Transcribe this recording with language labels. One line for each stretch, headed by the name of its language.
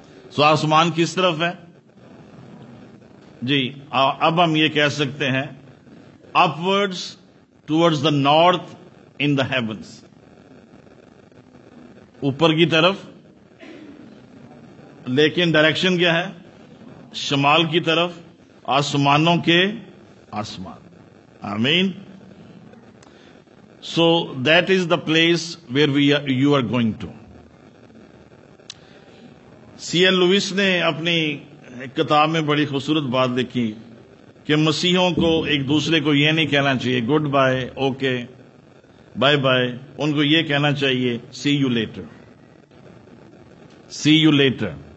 Urdu: سو آسمان کس طرف ہے؟ جی اب ہم یہ کہہ سکتے ہیں
English: upwards towards the north in the heavens,
Urdu: اوپر کی طرف، لیکن ڈائریکشن کیا ہے؟ شمال کی طرف، آسمانوں کے آسمان. آمین.
English: So that is the place where we you are going to.
Urdu: C L Louis نے اپنی کتاب میں بڑی خوبصورت بات لکھی کہ مسیحوں کو ایک دوسرے کو یہ نہیں کہنا چاہیے
English: goodbye, okay, bye bye,
Urdu: ان کو یہ کہنا چاہیے
English: See you later, see you later.